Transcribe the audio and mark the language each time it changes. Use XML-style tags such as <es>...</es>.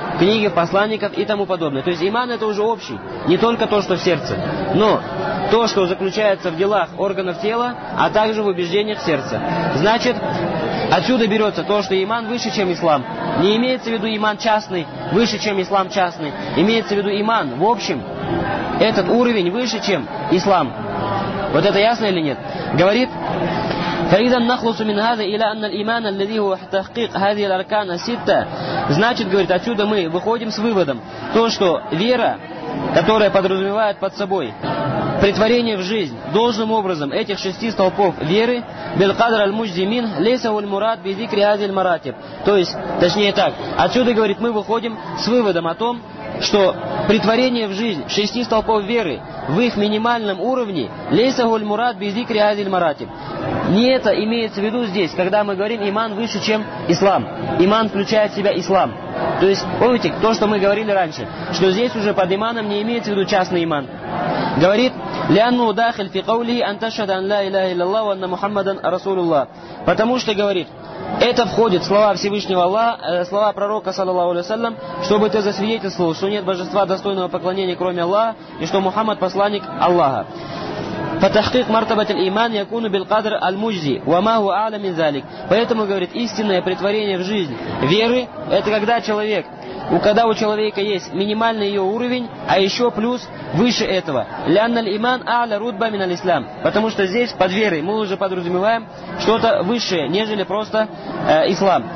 <ru>В книги, в посланников и тому подобное. То есть иман это уже общий, не только то, что в сердце, но то, что заключается в делах органов тела, а также в убеждениях сердца. Значит, отсюда берется то, что иман выше, чем ислам. Не имеется в виду иман частный, выше, чем ислам частный. Имеется в виду иман в общем. Этот уровень выше, чем ислам. Вот это ясно или нет?</ru> <ar>Говорит: فإذا نخلص من هذا إلى أن الإيمان الذي هو تحقيق هذه الأركان الستة.</ar> <ru>Значит, говорит, отсюда мы выходим с выводом, то, что вера, которая подразумевает под собой претворение в жизнь должным образом этих шести столпов веры,</ru> <ar>بالقدر المجزمين ليس هو المراد بذكر هذه المراتب.</ar> <ru>То есть, точнее так, отсюда, говорит, мы выходим с выводом о том, что претворение в жизнь шести столпов веры в их минимальном уровне</ru> <ar>ليса هو المراد بذكر هذه المراتب.</ar> <ru>Не это имеется в виду здесь, когда мы говорим иман выше, чем ислам. Иман включает в себя ислам. То есть, помните, то, что мы говорили раньше, что здесь уже под иманом не имеется в виду частный иман.</ru> <ar>Говорит: لأنه داخل في قوله أن تشهد أن لا إله إلا الله وأن محمدا رسول الله.</ar> <ru>Потому что, говорит, это входит в слова Всевышнего Аллаха, слова пророка, саллаллаху алейхи ва саллям, чтобы ты засвидетельствовал, что нет божества достойного поклонения, кроме Аллаха, и что Мухаммад посланник Аллаха.</ru> <ar>فتحقيق مرتبة الإيمان يكون بالقدر المجزي وما هو أعلى من ذلك.</ar> <ru>Поэтому, говорит, истинное претворение в жизнь веры – это когда человек, когда у человека есть минимальный ее уровень, а еще плюс выше этого.</ru> <ar>لأن الإيمان أعلى رتبة من الإسلام.</ar> <ru>Потому что здесь под верой мы уже подразумеваем что-то высшее, нежели просто ислам.</ru>